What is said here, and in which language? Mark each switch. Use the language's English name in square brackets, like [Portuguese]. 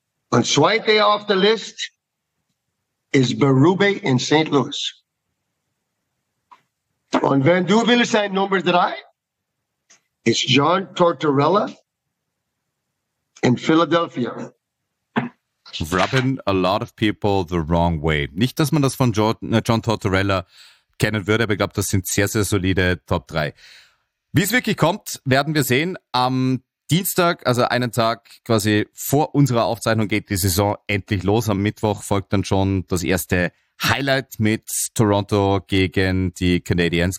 [German] Und zweite auf der List ist Berube in St. Louis. Und wenn du willst sein Nummer 3, ist John Tortorella in Philadelphia. [English] Rubbing a lot of people the wrong way. [German] Nicht, dass man das von John Tortorella kennen würde, aber ich glaube, das sind sehr, sehr solide Top 3. Wie es wirklich kommt, werden wir sehen am Dienstag, also einen Tag quasi vor unserer Aufzeichnung, geht die Saison endlich los. Am Mittwoch folgt dann schon das erste Highlight mit Toronto gegen die Canadiens.